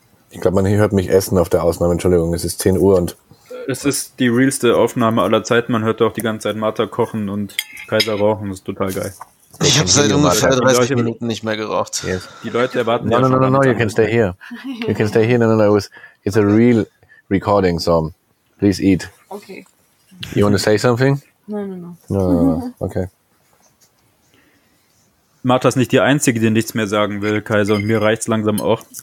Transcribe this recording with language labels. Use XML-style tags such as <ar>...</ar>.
<de>Ich glaube, man hört mich essen auf der Ausnahme. Entschuldigung, es ist 10 Uhr und... Es ist die realste Aufnahme aller Zeiten. Man hört doch die ganze Zeit Martha kochen und Kaiser rauchen. Das ist total geil. Ich habe seit ungefähr 30 Minuten nicht mehr geraucht.</de> <en>Yes.</en> <de>Die Leute erwarten...</de> <en>No, you can stay here. You can stay here. No, it's a real recording, so please eat. Okay. You want to say something? No. Okay.</en> <de>Martha ist nicht die Einzige, die nichts mehr sagen will, Kaiser, und mir reicht's langsam auch.</de>